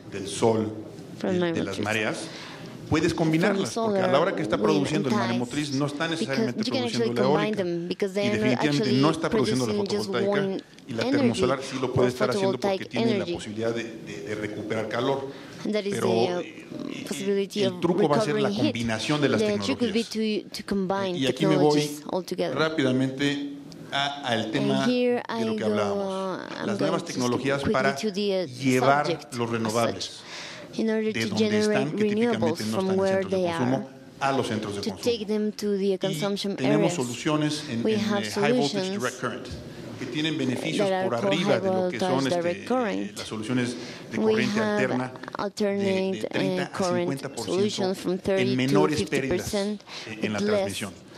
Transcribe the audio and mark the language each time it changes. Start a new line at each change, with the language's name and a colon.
Spanish: del sol, de las mareas, puedes combinarlas, porque a la hora que está produciendo el maremotriz no está necesariamente produciendo la eólica y definitivamente no está produciendo la fotovoltaica, y la termosolar sí lo puede estar haciendo porque tiene la posibilidad de recuperar calor. Pero el truco va a ser la combinación de las tecnologías. Y aquí me voy rápidamente al tema de lo que hablábamos. Las nuevas tecnologías para llevar los renovables
English: in order to generate renewables from where they are,
Spanish: a los centros de consumo.
English: To take them to the consumption areas.
Spanish: Tenemos soluciones en high voltage direct current que tienen beneficios por arriba de lo que son las soluciones de corriente alterna de 30 a 50% en menores pérdidas en la transmisión.